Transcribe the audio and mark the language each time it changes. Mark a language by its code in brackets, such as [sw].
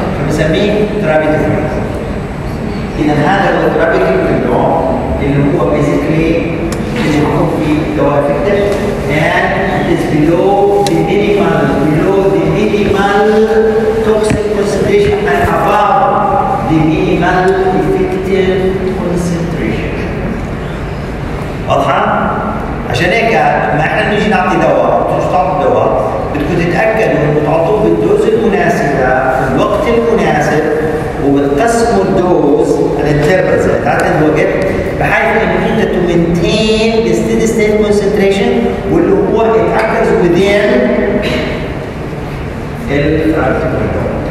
[ar] شو بنسميه؟ therapeutic window. إذا هذا هو [en] therapeutic window اللي هو basically [ar] اللي يكون فيه الدواء [en] effective and is below the minimal, below the minimal toxic concentration and above the minimal effective concentration. [ar] واضحة؟ عشان هيك لما احنا نيجي نعطي دواء وتعطوا الدواء بدكم تتاكدوا انه تعطوه بالدوز المناسبة في الوقت المناسب وبتقسموا الدوز على التيربز بتاعت الوقت بحيث انه انت [en] to maintain steady state concentration [ar] واللي هو يتعكس within التراكتيف ويندو.